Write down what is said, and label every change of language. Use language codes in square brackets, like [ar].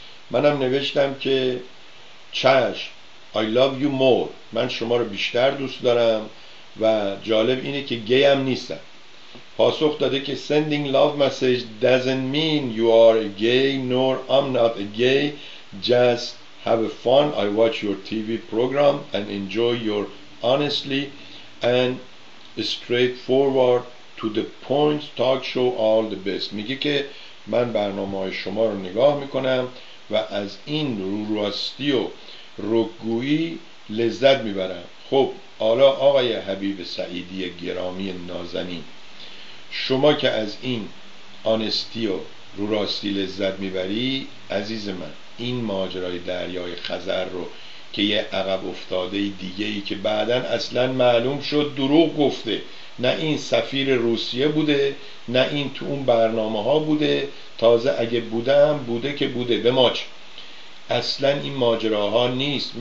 [fa] منم نوشتم که چش، [en] I love you more، [fa] من شما رو بیشتر دوست دارم و جالب اینه که گیم نیستم. پاسخ داده که [en] sending love message doesn't mean you are a gay nor I'm not a gay, just have a fun, I watch your TV program and enjoy your honestly and straightforward to the point talk show all the best. [fa] میگه که من برنامه های شما رو نگاه میکنم و از این روراستی و رگویی لذت میبرم. خب حالا آقای حبیب سعیدی گرامی نازنین، شما که از این آنستی و روراستی لذت میبری عزیز من، این ماجرای دریای خزر رو که یه عقب افتاده دیگه‌ای که بعداً اصلاً معلوم شد دروغ گفته، نه این سفیر روسیه بوده نه این تو اون برنامه ها بوده، تازه اگه بوده به ماچ، اصلاً این ماجراها نیست.